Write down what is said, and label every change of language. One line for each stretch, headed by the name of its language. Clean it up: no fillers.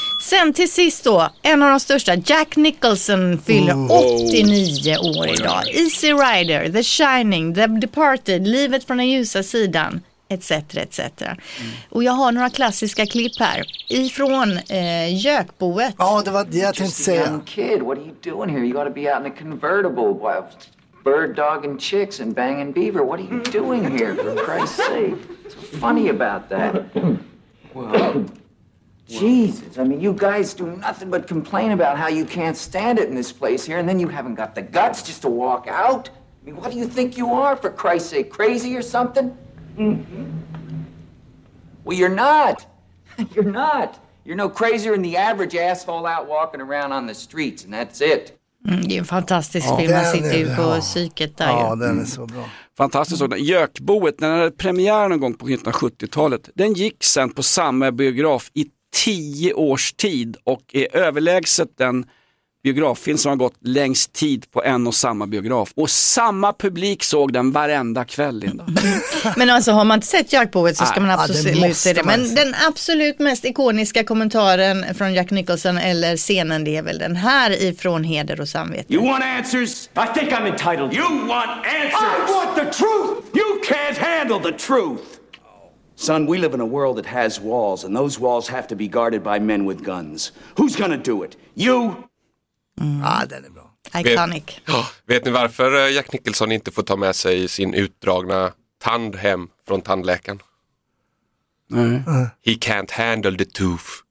Swedish: Sen till sist då, en av de största, Jack Nicholson fyller 89 år idag. Easy Rider, The Shining, The Departed, Livet från den ljusa sidan, etc. etc. Och jag har några klassiska klipp här ifrån Jökboet. Ja, det var det jag tänkte säga.
English: Kid, what are you doing here? You got to be out in a convertible. Bird, dog and chicks and banging beaver. What are you doing here, for Christ's sake? It's funny about that. Well... Jesus, I mean, you guys do nothing but complain about how you can't stand it in this place here, and then you haven't got the guts just to walk out. I mean, what do you think you are, for Christ's sake, crazy or something? Mm-hmm. Well, you're not. You're not. You're no crazier than the average asshole out walking around on the streets, and that's it.
Swedish: Det är en fantastisk film, man sitter ju på psyket där. Ja, den är så bra. Fantastiskt. Mm. Jökboet, när den hade premiär någon gång på 1970-talet, den gick sen på samma biograf i 10 års tid och är överlägset den biograffilm som har gått längst tid på en och samma biograf. Och samma publik såg den varenda kväll, Linda. Men alltså, har man inte sett Jökboet så ska man absolut se det. Men den absolut mest ikoniska kommentaren från Jack Nicholson eller scenen, det är väl den här ifrån Heder och samvete.
English: You want answers? I think I'm entitled. You want answers? I want the truth! You can't handle the truth! Son, we live in a world that has walls, and those walls have to be guarded by men with guns. Who's gonna do it? You?
Swedish: Den är bra. Iconic. Vet ni varför Jack Nicholson inte får ta med sig sin utdragna tand hem från tandläkaren? Nej.
English: He can't handle the tooth.